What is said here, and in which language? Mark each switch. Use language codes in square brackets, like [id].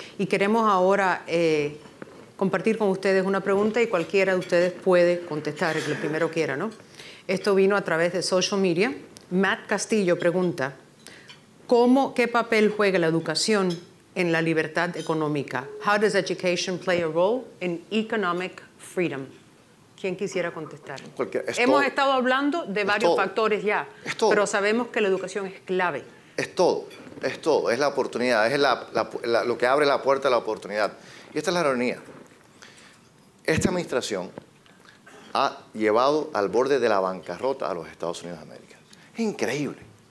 [es] Y queremos ahora compartir con ustedes una pregunta y cualquiera de ustedes puede contestar el primero quiera, ¿no? Esto vino a través de social media. Matt Castillo pregunta, ¿qué papel juega la educación en la libertad económica? [en] How does education play a role in economic freedom? [es] ¿Quién quisiera contestar? Hemos estado hablando de varios factores ya, pero sabemos que la educación es clave. Es todo. Es la oportunidad. Es lo que abre la puerta a la oportunidad. Y esta es la ironía. Esta administración ha llevado al borde de la bancarrota a los Estados Unidos de América. Es increíble.